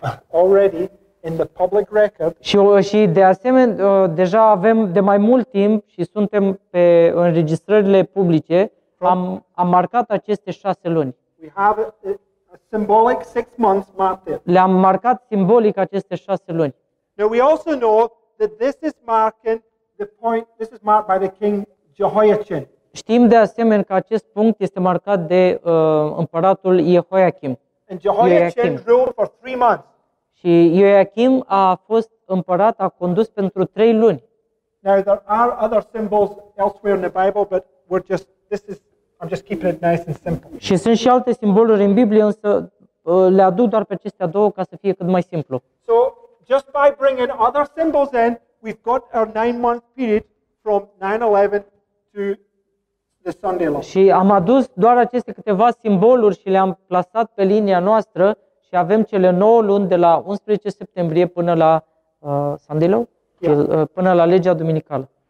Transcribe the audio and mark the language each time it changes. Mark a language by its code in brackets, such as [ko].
[en] Already in the public record. [ro] Și de asemenea deja avem de mai mult timp și suntem pe înregistrările publice. Am marcat aceste 6 luni. [en] We have a symbolic 6 months marked there. [ro] Le-am marcat simbolic aceste 6 luni. [en] Now we also know that this is marking the point. This is marked by the king Jehoiachin. [ro] Știm de asemenea că acest punct este marcat de împăratul Jehoiachin. [en] And Jehoiachin ruled for 3 months. [ro] Și Jehoiachin a fost împărat, a condus pentru 3 luni. [en] Now there are other symbols elsewhere in the Bible, but we're just I'm just keeping it nice and simple. [ro] Și sunt și alte simboluri în Biblie, însă le aduc doar pe acestea două ca să fie cât mai simplu. [en] So, just by bringing other symbols in, we've got our 9-month period from 9/11 to the Sunday law. [ro] Și am adus doar aceste câteva simboluri și le-am plasat pe linia noastră și avem cele 9 luni de la 11 septembrie până la [en] Sunday law, [ro] până la legea duminicală.